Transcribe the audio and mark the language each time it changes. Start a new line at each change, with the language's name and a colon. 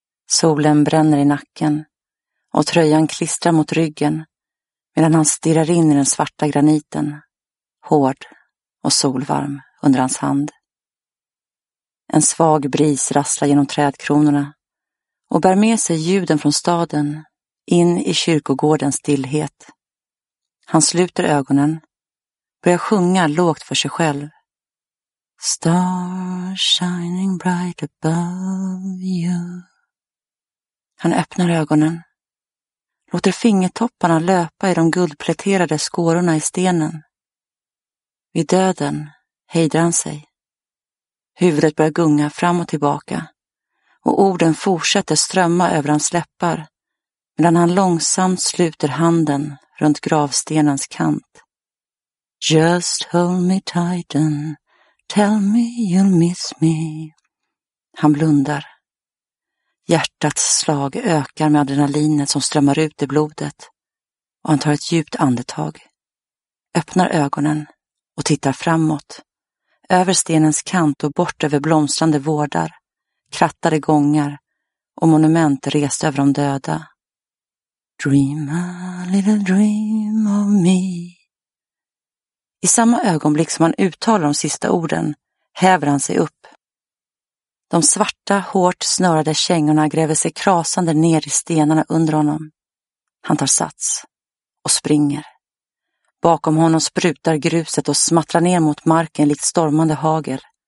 Swedish: Solen bränner i nacken och tröjan klistrar mot ryggen medan han stirrar in i den svarta graniten, hård och solvarm under hans hand. En svag bris rasslar genom trädkronorna och bär med sig ljuden från staden in i kyrkogårdens stillhet. Han sluter ögonen, börjar sjunga lågt för sig själv.
English: Stars shining bright above you.
Swedish: Han öppnar ögonen, låter fingertopparna löpa i de guldpläterade skårorna i stenen. Vid döden hejdrar han sig. Huvudet börjar gunga fram och tillbaka och orden fortsätter strömma över hans läppar medan han långsamt sluter handen runt gravstenens kant.
English: Just hold me tight and tell me you'll miss me.
Swedish: Han blundar. Hjärtats slag ökar med adrenalinet som strömmar ut i blodet och han tar ett djupt andetag, öppnar ögonen och tittar framåt, över stenens kant och bort över blomstrande vårdar, krattade gångar och monument rest över de döda.
English: Dream a little dream of me.
Swedish: I samma ögonblick som han uttalar de sista orden häver han sig upp. De svarta, hårt snörade kängorna gräver sig krasande ner i stenarna under honom. Han tar sats och springer. Bakom honom sprutar gruset och smattrar ner mot marken likt stormande hagel.